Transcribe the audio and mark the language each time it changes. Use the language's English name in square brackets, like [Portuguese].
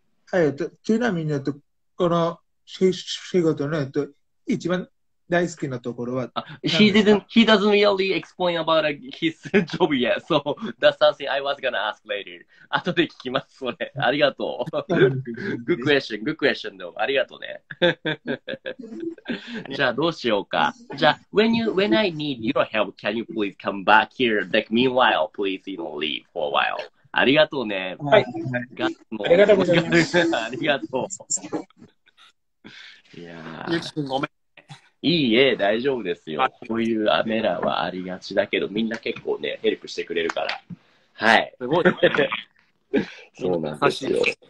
[Japanese] はい、ちなみに、この仕事の、一番大好きなところは、 [English] He doesn't really explain about his job yet, so that's something I was gonna ask later. [Japanese] 後で聞きます、それ。ありがとう。 [English] good question, though. [Japanese] ありがとうね。じゃあ、どうしようか。じゃあ、 [English] when I need your help, can you please come back here? Like, meanwhile, please, you know, leave for a while. [Japanese] ありがとうね。はい。ガッツも。ありがとうございます。ありがとう。いやゆきくんごめん。いいえ、大丈夫ですよ。こういうアメラはありがちだけど、みんな結構ね、ヘルプしてくれるから。はい。すごい、ね。そうなんですよ。